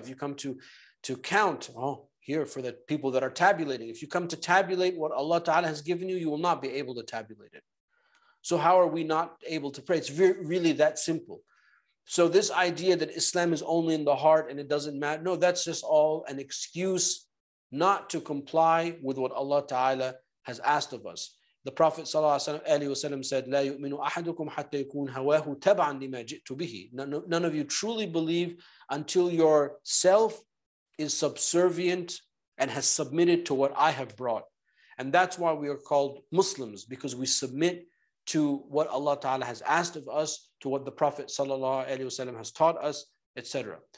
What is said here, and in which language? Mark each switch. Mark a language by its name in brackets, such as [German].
[English] If you come to count, here for the people that are tabulating, if you come to tabulate what Allah Ta'ala has given you, you will not be able to tabulate it. So how are we not able to pray? It's really that simple. So this idea that Islam is only in the heart and it doesn't matter, no, that's just all an excuse not to comply with what Allah Ta'ala has asked of us. The Prophet Sallallahu Alaihi Wasallam said, [Arabic] لا يؤمن أحدكم حتى يكون هواه تبعا لما جئت به. [English] None of you truly believe until yourself is subservient and has submitted to what I have brought. And that's why we are called Muslims, because we submit to what Allah Ta'ala has asked of us, to what the Prophet Sallallahu Alaihi Wasallam has taught us, etc.